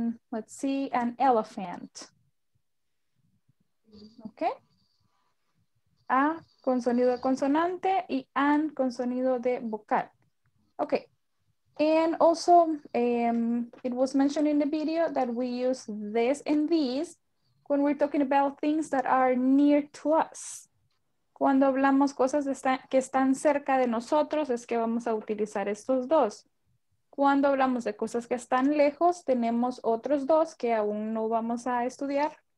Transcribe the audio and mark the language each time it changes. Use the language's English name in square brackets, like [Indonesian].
[English] Let's see, an elephant. [Spanish] Okay. A con sonido de consonante y an con sonido de vocal. [English] Okay. And also, it was mentioned in the video that we use this and these when we're talking about things that are near to us. [Spanish] Cuando hablamos cosas que están cerca de nosotros, es que vamos a utilizar estos dos. Cuando hablamos de cosas que están lejos, tenemos otros dos que aún no vamos a estudiar.